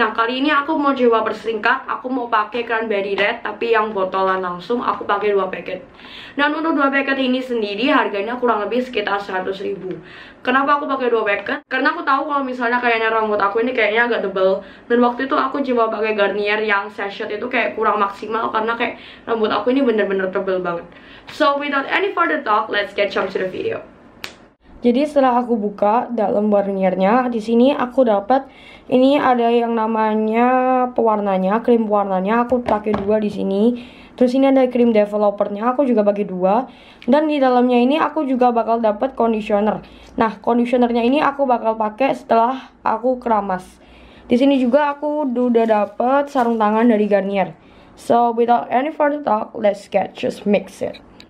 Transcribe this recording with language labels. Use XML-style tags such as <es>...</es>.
<id>Nah, kali ini aku mau coba perseringkat, aku mau pakai Cranberry Red tapi yang botolan langsung aku pakai 2 paket. Dan untuk 2 paket ini sendiri harganya kurang lebih sekitar 100.000. Kenapa aku pakai 2 paket? Karena aku tahu kalau misalnya kayaknya rambut aku ini kayaknya agak tebel. Dan waktu itu aku coba pakai Garnier yang sachet itu kayak kurang maksimal karena kayak rambut aku ini bener-bener tebel banget.</id> <en>So, without any further talk, let's get jump to the video.</en> <id>Jadi setelah aku buka dalam Garnier-nya, di sini aku dapat ini ada yang namanya pewarnanya, krim pewarnanya aku pakai 2 di sini. Terus ini ada krim developernya, aku juga pakai 2. Dan di dalamnya ini aku juga bakal dapat conditioner. Nah, conditionernya ini aku bakal pakai setelah aku keramas. Di sini juga aku udah dapat sarung tangan dari Garnier.</id> <en>So, without any further talk, let's get just mix it.</en>